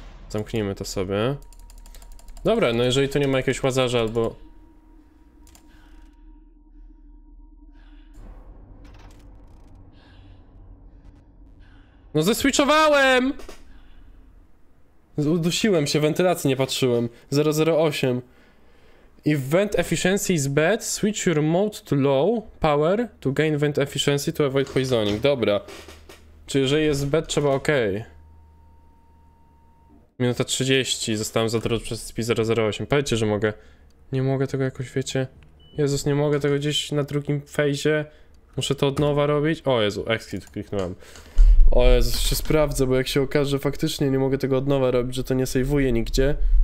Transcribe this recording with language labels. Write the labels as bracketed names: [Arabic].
[Polish] Zamknijmy to sobie. Dobra, no jeżeli tu nie ma jakiegoś łazarza albo... No zeswitchowałem! Udusiłem się, wentylacji nie patrzyłem. 008. [English] If vent efficiency is bad, switch your mode to low power to gain vent efficiency to avoid poisoning. [Polish] Dobra. Czyli jeżeli jest bad, trzeba ok. Minuta 30, zostałem zatrudniony przez SCP-008. Powiedzcie, że mogę. Nie mogę tego jakoś, wiecie. Jezus, nie mogę tego gdzieś na drugim fejzie. Muszę to od nowa robić. O Jezu, exit kliknąłem. O Jezus, się sprawdzę, bo jak się okaże, faktycznie nie mogę tego od nowa robić, że to nie sejwuje nigdzie.